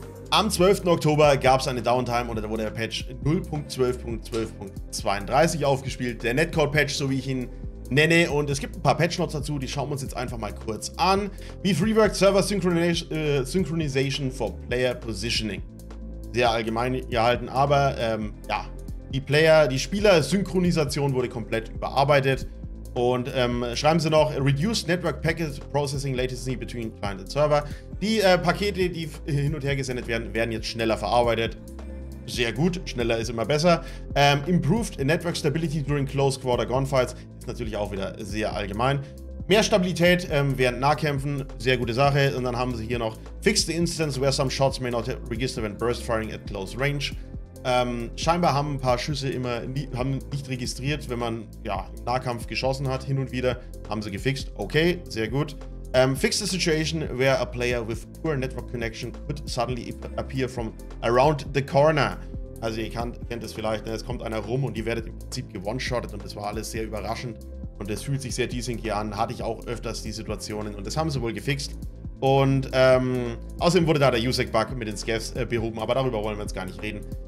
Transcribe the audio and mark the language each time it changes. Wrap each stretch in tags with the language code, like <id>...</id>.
<de>Am 12. Oktober gab es eine Downtime und da wurde der Patch 0.12.12.32 aufgespielt. Der Netcode-Patch, so wie ich ihn nenne. Und es gibt ein paar Patch-Notes dazu, die schauen wir uns jetzt einfach mal kurz an.</de> <en>We've reworked Server Synchronization for Player Positioning.</en> <de>Sehr allgemein gehalten, aber die Spieler-Synchronisation wurde komplett überarbeitet. Und schreiben sie noch,</de> <en>reduced network packet processing latency between client and server.</en> <de>Die Pakete, die hin und her gesendet werden, werden jetzt schneller verarbeitet. Sehr gut, schneller ist immer besser.</de> <en>Improved network stability during close quarter gunfights.</en> <de>Ist natürlich auch wieder sehr allgemein. Mehr Stabilität während Nahkämpfen, sehr gute Sache. Und dann haben sie hier noch,</de> <en>fixed the instance where some shots may not register when burst firing at close range.</en> <de>Scheinbar haben ein paar Schüsse immer nicht registriert, wenn man ja, im Nahkampf geschossen hat, hin und wieder, haben sie gefixt. Okay, sehr gut.</de> <en>Fix the situation where a player with poor network connection could suddenly appear from around the corner.</en> <de>Also ihr kennt das vielleicht, ne? Es kommt einer rum und ihr werdet im Prinzip gewone-shottet und das war alles sehr überraschend. Und das fühlt sich sehr desync hier an, hatte ich auch öfters die Situationen und das haben sie wohl gefixt. Und außerdem wurde da der USEC-Bug mit den Scavs behoben, aber darüber wollen wir jetzt gar nicht reden.</de>